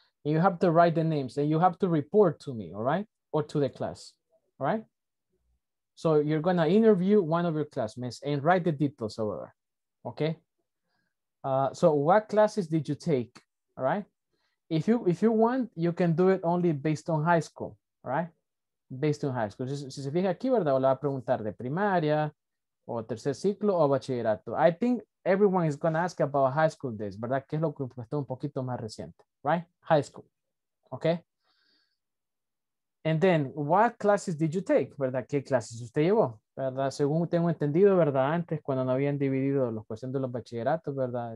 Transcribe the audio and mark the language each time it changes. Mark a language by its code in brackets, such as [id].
[en] And you have to write the names and you have to report to me, all right? Or to the class, all right? So you're going to interview one of your classmates and write the details over there, okay? So what classes did you take, all right? If you want, you can do it only based on high school, right? Based on high school. [es] Si se fija aquí, ¿verdad? O le va a preguntar de primaria, o tercer ciclo, o bachillerato. [en] I think everyone is going to ask about high school days, ¿verdad? [es] Que es lo que está un poquito más reciente, right? [en] High school, okay? And then, what classes did you take, ¿verdad? [es] ¿Qué clases usted llevó? ¿Verdad? Según tengo entendido, ¿verdad? Antes, cuando no habían dividido los cuestiones de los bachilleratos, ¿verdad?